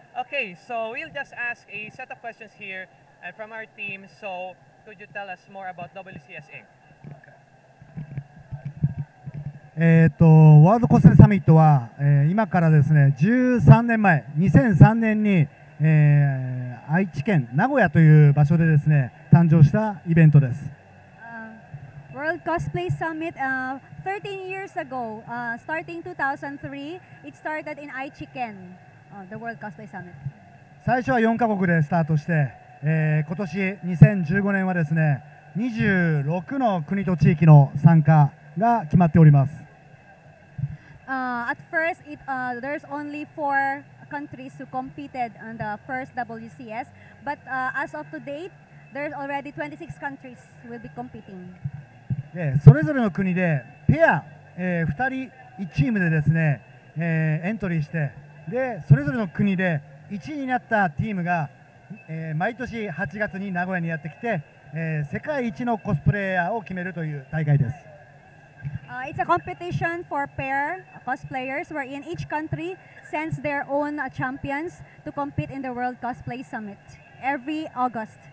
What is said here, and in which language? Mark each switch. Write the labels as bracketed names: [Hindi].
[English] Okay, so we'll just ask a set of questions here and from our team. So, could you tell us more about WCS Inc.? Okay. [Japanese] ワールドコスプレサミットは、今からですね、13年前、2003年に、愛知県名古屋という場所でですね、誕生したイベントです。 [English] World Cosplay Summit 13 years ago, starting 2003, it started in Aichi Ken, the World Cosplay Summit. [Japanese] 最初は4カ国でスタートして、今年2015年はですね、26の国と地域の参加が決まっております。 [English] At first, there's only 4 countries who competed on the first WCS, but as of today, there's already 26 countries who will be competing. [Japanese] でそれぞれの国でペア、2人1チームでですね、エントリーしてでそれぞれの国で1位になったチームが、毎年8月に名古屋にやってきて、世界一のコスプレイヤーを決めるという大会です。 [English] It's a competition for pair cosplayers wherein each country sends their own champions to compete in the World Cosplay Summit every August.